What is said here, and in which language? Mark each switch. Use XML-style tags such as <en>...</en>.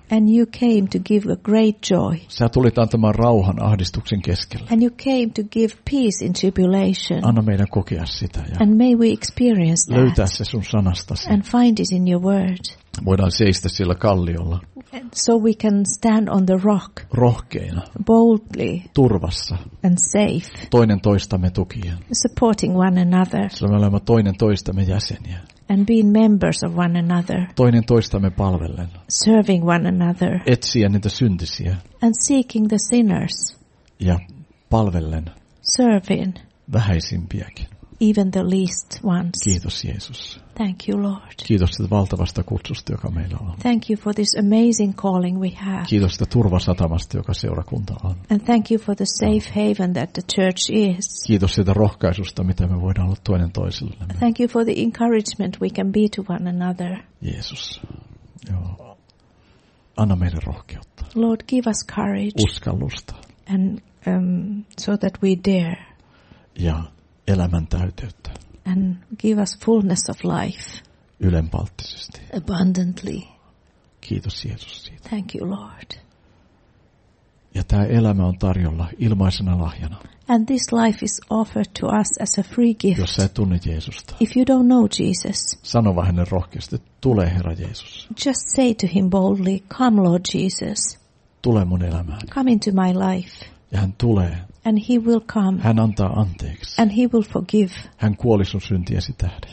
<en>And you came to give a great joy.</en> <fi>Sä tulit antamaan rauhan ahdistuksen keskellä.</fi> <en>And you came to give peace in tribulation.</en> <fi>Anna meidän kokea sitä. Ja</fi> <en>and may we experience that.</en> <fi>Löytää se sun sanastasi.</fi> <en>And find it in your word.</en> <fi>Voidaan seistä sillä kalliolla.</fi> <en>So we can stand on the rock.</en> <fi>Rohkeina.</fi> <en>Boldly.</en> <fi>Turvassa.</fi> <en>And safe.</en> <fi>Toinen toistamme tukien.</fi> <en>Supporting one another.</en> <fi>Sillä me olemme toinen toistamme jäseniä.</fi> <en>And being members of one another.</en> <fi>Toinen toistamme palvellen.</fi> <en>Serving one another.</en> <fi>Etsiä niitä syntisiä.</fi> <en>And seeking the sinners.</en> <fi>Ja palvellen.</fi> <en>Serving.</en> <fi>Vähäisimpiäkin.</fi> <en>Even the least ones.</en> <fi>Kiitos Jeesus.</fi> <en>Thank you Lord.</en> <fi>Kiitos siitä valtavasta kutsusta, joka meillä on.</fi> <en>Thank you for this amazing calling we have.</en> <fi>Kiitos siitä turvasatamasta, joka seurakunta on.</fi> <en>And thank you for the safe haven that the church is.</en> <fi>Kiitos siitä rohkaisusta, mitä me voidaan olla toinen toisillemme.</fi> <en>Thank you for the encouragement we can be to one another.</en> <fi>Jeesus. Joo. Anna meille rohkeutta.</fi> <en>Lord, give us courage.</en> <fi>Uskallusta.</fi> <en>And so that we dare.</en> <fi>Ja elämän täyteyttä.</fi> <en>And give us fullness of life.</en> <fi>Ylenpalttisesti.</fi> <en>Abundantly.</en> <fi>Kiitos Jeesus siitä.</fi> <en>Thank you, Lord.</en> <fi>Ja tämä elämä on tarjolla ilmaisena lahjana.</fi> <en>And this life is offered to us as a free gift.</en> <fi>Jos sä et tunne Jeesusta.</fi> <en>If you don't know Jesus.</en> <fi>Sano vaan hänen rohkeasti, tule Herra Jeesus.</fi> <en>Just say to him boldly, come Lord Jesus.</en> <fi>Tule mun elämään.</fi> <en>Come into my life.</en> <fi>Ja hän tulee.</fi> <en>And he will come.</en> <fi>Hän antaa anteeksi.</fi> <en>And he will forgive.</en> <fi>Hän kuoli sun syntiesi tähden.</fi>